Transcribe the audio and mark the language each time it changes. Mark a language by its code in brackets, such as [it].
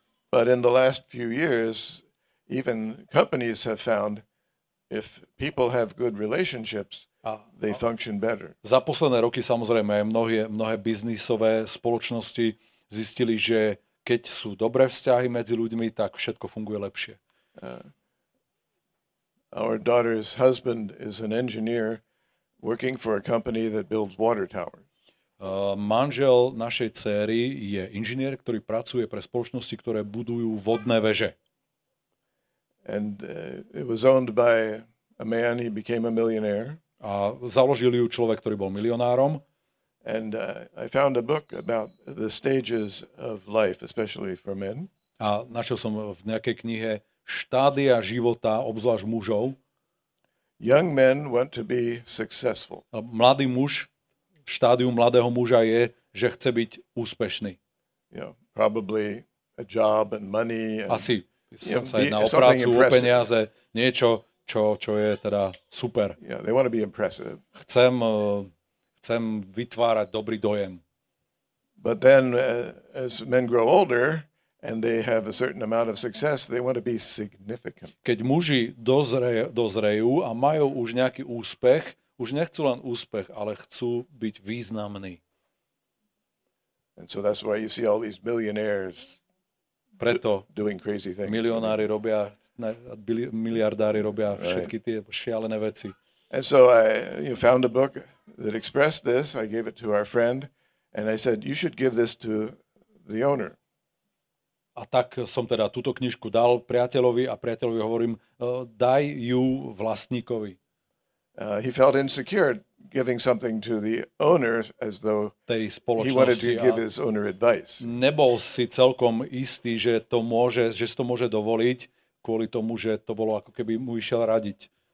[en] But in the last few years, even companies have found if people have good relationships, they function better. [sk] Za posledné roky samozrejme mnohé biznisové spoločnosti zistili, že keď sú dobré vzťahy medzi ľuďmi, tak všetko funguje lepšie. [en] Our daughter's husband is an engineer working for a company that builds water towers. [sk] Manžel našej dcéry je inžinier, ktorý pracuje pre spoločnosti, ktoré budujú vodné veže. [en] And it was owned by a man, he became a millionaire. [sk] A založil ju človek, ktorý bol milionárom. [en] And I found a book about the stages of life, especially for men. [sk] A našiel som v nejakej knihe štádia života, obzvlášť mužov. [en] Young men want to be successful. [sk] Mladý muž, štádium mladého muža je, že chce byť úspešný. [en] You know, probably a job and money and, [sk] asi sa jedná o prácu, o peniaze, niečo, čo je teda super. [en] Yeah, they want to be impressive. [sk] Chcem vytvárať dobrý dojem. [en] But then as men grow older and they have a certain amount of success, they want to be significant. [sk] Keď muži dozrejú a majú už nejaký úspech, už nechcú len úspech, ale chcú byť významní. [en] And so that's why you see all these millionaires doing crazy things. [sk] Milionári robia, miliardári robia všetky tie šialené veci. [en] And so I found a book that expressed this. I gave it to our friend and I said, you should give this to the owner. [sk] A tak som teda túto knižku dal priateľovi a priateľovi hovorím, daj ju vlastníkovi. [en] He felt insecure giving something to the owner as though [sk] tej spoločnosti [en] he wanted to give his owner advice. [sk] Nebol si celkom istý, že to môže, že si to môže dovoliť, kvôli tomu, že to bolo ako keby mu išiel radiť.